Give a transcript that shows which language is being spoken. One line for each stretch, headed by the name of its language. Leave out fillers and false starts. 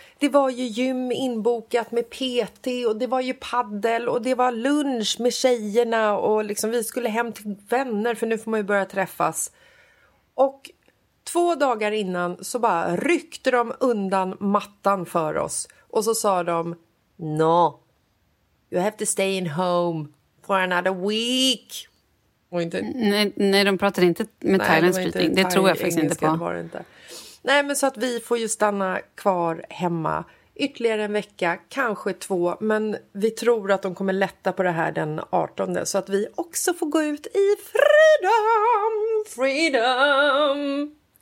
Swedish: Det var ju gym inbokat med PT och det var ju paddel. Och det var lunch med tjejerna och liksom vi skulle hem till vänner. För nu får man ju börja träffas. Och 2 dagar innan så bara ryckte de undan mattan för oss. Och så sa de,
English: no, you have to stay in home for another week.
Swedish: Och inte, nej, de pratade inte med thailändsk flytning. Det tror jag faktiskt inte på. Var det inte. Nej, men så att vi får ju stanna kvar hemma ytterligare en vecka, kanske 2. Men vi tror att de kommer lätta på det här den 18. Så att vi också får gå ut i
English: freedom, freedom.